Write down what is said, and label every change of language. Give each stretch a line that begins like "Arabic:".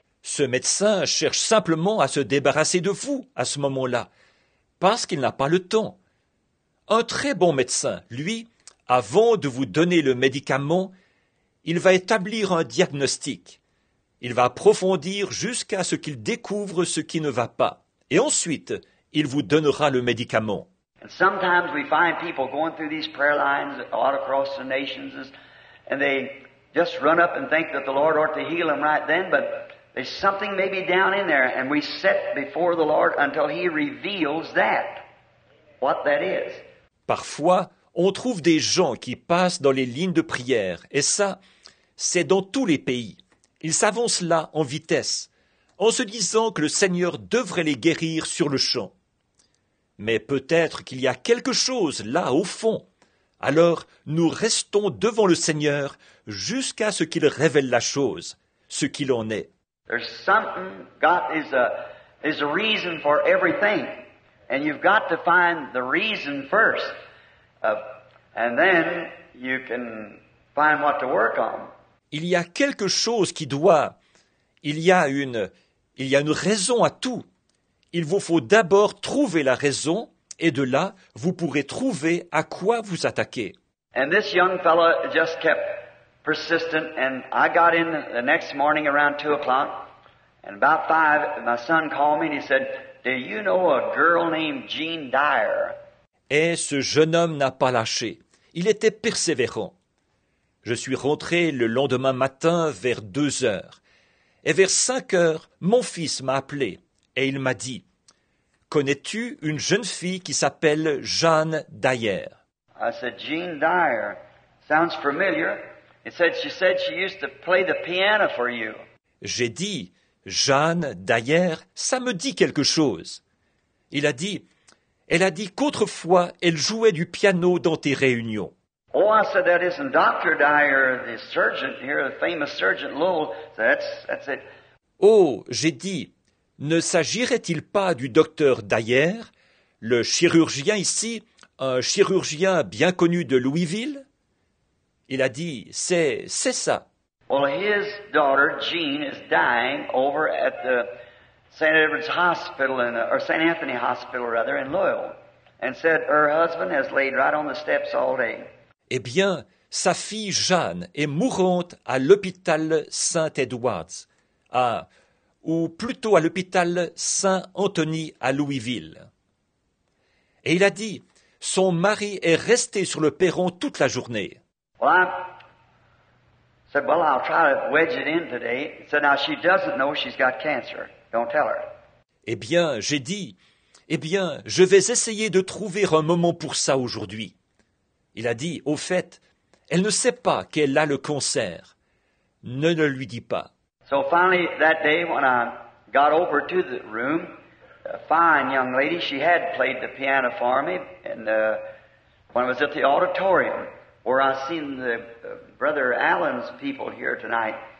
French: Ce médecin cherche simplement à se débarrasser de vous à ce moment-là, parce qu'il n'a pas le temps. Un très bon médecin, lui, avant de vous donner le médicament, il va établir un diagnostic. Il va approfondir jusqu'à ce qu'il découvre ce qui ne va pas. Et ensuite, il vous donnera le médicament.
English: And sometimes we find people going through these prayer lines all across the nations, and they just run up and think that the Lord ought to heal him right then, but there's something maybe down in there, and we set before the Lord until he reveals that, what that is.
French: Parfois, on trouve des gens qui passent dans les lignes de prière, et ça, c'est dans tous les pays. Ils s'avancent là en vitesse, en se disant que le Seigneur devrait les guérir sur le champ. Mais peut-être qu'il y a quelque chose là au fond. Alors, nous restons devant le Seigneur jusqu'à ce qu'il révèle la chose, ce qu'il en est.
English: There's something, God is a reason for everything. And you've got to find the reason first. And then you can find what to work on.
French: Il y a quelque chose qui doit. Il y a une raison à tout. Il vous faut d'abord trouver la raison, et de là, vous pourrez trouver à quoi vous attaquer.
English: And this young fellow just kept persistent, and I got in the next morning around 2 o'clock, and about 5, my son called me and he said, "Do you know a girl named Jean Dyer?"
French: Et ce jeune homme n'a pas lâché. Il était persévérant. Je suis rentré le lendemain matin vers 2 heures. Et vers 5 heures, mon fils m'a appelé et il m'a dit, « Connais-tu une jeune fille qui s'appelle Jeanne Dyer ?»
English: I said, "Jean Dyer, sounds familiar. She said she used to play the piano for you."
French: J'ai dit, « Jeanne Dyer, ça me dit quelque chose. » Il a dit, « Elle a dit qu'autrefois, elle jouait du piano dans tes réunions. »
English: Oh, I said, "That isn't Dr. Dyer, the surgeon here, the famous surgeon Lowell." So that's it.
French: Oh, j'ai dit, ne s'agirait-il pas du docteur Dyer, le chirurgien ici, un chirurgien bien connu de Louisville? Il a dit, c'est ça.
English: Well, his daughter Jean is dying over at the St. Edward's Hospital, or St. Anthony Hospital rather, in Louisville, and said her husband has laid right on the steps all day.
French: Eh bien, sa fille Jeanne est mourante à l'hôpital Saint-Edwards, ou plutôt à l'hôpital Saint-Anthony à Louisville. Et il a dit, son mari est resté sur le perron toute la journée.
English: Well, I said, "Well, I'll try to wedge it in today." He said, "Now, she doesn't know she's got cancer. Don't tell her."
French: Eh bien, j'ai dit, eh bien, je vais essayer de trouver un moment pour ça aujourd'hui. Il a dit, au fait, elle ne sait pas qu'elle a le cancer. Ne le lui dis pas.
English: So finally, that day, when I got over to the room, a fine young lady, she had played the piano for me, and when I was at the auditorium, where I seen the Brother Allen's people here tonight.